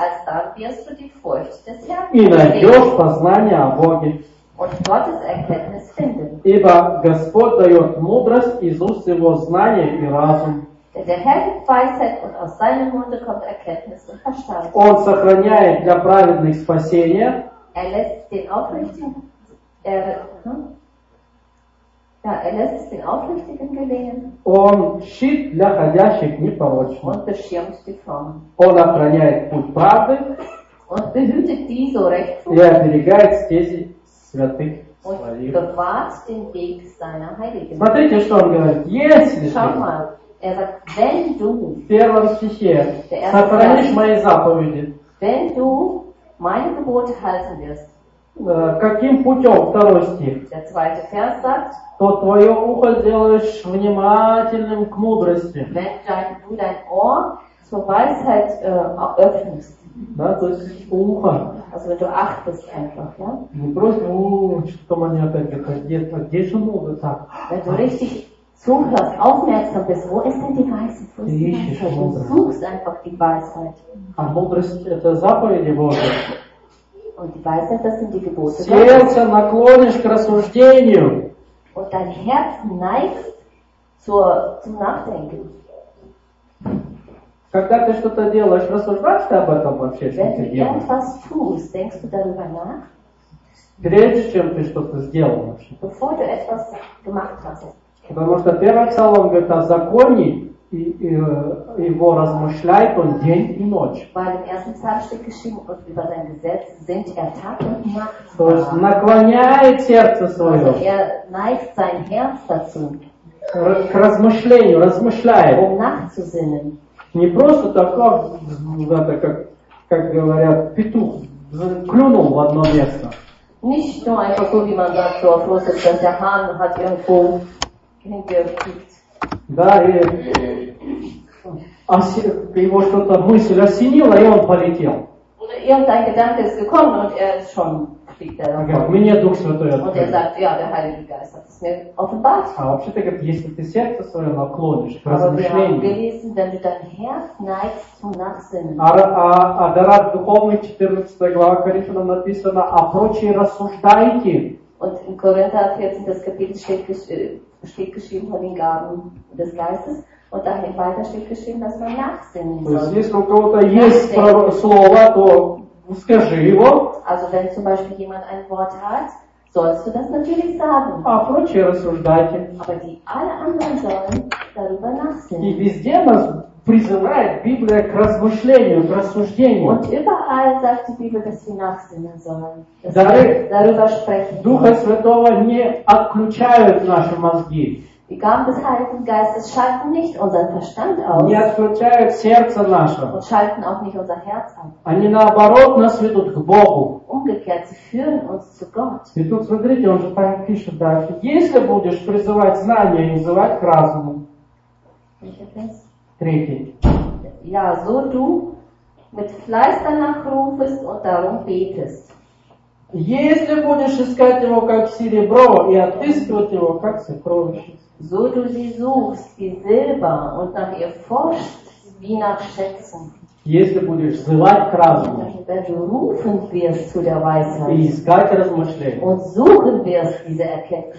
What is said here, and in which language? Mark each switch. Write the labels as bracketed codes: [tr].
[de] als dann wirst du die Furcht des Herrn [ru] и найдешь познание о Боге. [de] Und Gottes Erkenntnis finden. [ru] Ибо Господь дает мудрость из уст его знания и разум. [de] Der Herr gibt Weisheit und aus seinem Munde kommt Erkenntnis und Verstand. [ru] Он сохраняет для праведных спасения. [de] Er lässt den Aufrichtigen, er lässt es den Aufrichtigen gelingen. [ru] Он щит для ходящих непорочно. Он [de] beschirmt die Frommen. [ru] Он охраняет путь правды. Он [de] behütet die, so recht tut. [ru] И оберегает стези святых своих. [de] Und bewahrt den Weg seiner Heiligen. [ru] Смотрите, что он говорит. Если [de] schau mal, er sagt, wenn du [ru] в первом стихе сохранишь мои заповеди, [de] wenn du meine Gebote halten wirst. [ru] Каким путем? Второй стих. [de] Der zweite Vers sagt, [ru] то твое ухо делаешь внимательным к мудрости. [de] Wenn du dein Ohr zur Weisheit öffnest. [ru] Да, то есть ухо. [de] Also wenn du achtest einfach, ja? [ru] Не просто, что мне опять говорит, где же мудрый так? [de] Wenn du richtig zuhörst, aufmerksam bist, wo ist denn die Weisheit? Wo ist die Weisheit? Du suchst einfach die Weisheit. [ru] А мудрость – это заповеди Божьи. [de] Und die Weisheit, das sind die Gebote. [ru] Сердце наклонишь к рассуждению. [de] Und dein Herz neigst zum Nachdenken. [ru] Когда ты что-то делаешь, рассуждаешь ты об этом вообще? [de] Wenn du irgendwas tust, denkst du darüber nach? [ru] Прежде чем ты что-то сделал вообще. [de] Bevor du etwas gemacht hast. [ru] Потому что первый псалом говорит о законе, и его размышляет он день и ночь. [de] Weil im ersten Psalm steht geschrieben, und über sein Gesetz sind er Tag und Nacht. [ru] То есть наклоняет сердце свое. [de] Also er neigt sein Herz dazu. [ru] К размышлению, размышляет. [de] Um nachzusinnen. [ru] Не просто так, как говорят, петух клюнул в одно место. [de] Nicht nur einfach so, wie man sagt, so auf Russisch, dass der Hahn hat irgendwo hingepickt. [ru] Да, и его что-то мысль осенила, и он полетел. [de] Irgendein Gedanke ist gekommen, und er ist schon fliegt er. [ru] Говорит, мне Дух Святой открыл. [de] Und er sagt, ja, der Heilige Geist hat es mir offenbart. [ru] А вообще-то, говорит, если ты сердце свое наклонишь к размышлению. [de] Aber wir haben gelesen, wenn du dein Herz neigst zum Nachsinnen. [ru] А дара духовной 14 глава Коринфянам написано, а прочие рассуждайте. [de] Und in Korinther 14 Kapitel steht geschrieben von den Gaben des Geistes und dahin weiter steht geschrieben, dass man nachsinnen soll. Also wenn zum Beispiel jemand ein Wort hat, sollst du das natürlich sagen. Aber die alle anderen sollen darüber nachsinnen. [ru] Призывает Библия к размышлению, к рассуждению. [de] Und überall sagt die Bibel, dass wir nachsinnen sollen. Darüber sprechen. [ru] Духа Святого не отключают наши мозги. [de] Die Gaben des Heiligen Geistes schalten nicht unseren Verstand aus. [ru] Не отключают сердце наше. [de] Und schalten auch nicht unser Herz an. [ru] Они наоборот нас ведут к Богу. [de] Umgekehrt, sie führen uns zu Gott. [ru] И тут смотрите, он же там пишет дальше. Если будешь призывать знания и называть к разуму. Третий. [de] Ja, so du mit Fleiß danach rufest und darum betest. [ru] Если будешь искать его как серебро и отыскивать его как сокровище. [de] So du sie suchst wie Silber und nach ihr forschst wie nach Schätzen. [ru] Если будешь звать к разуму. [de] Wenn du rufen wirst zu der Weisheit. [ru] И искать размышления. [de] Und suchen wirst diese Erkenntnis.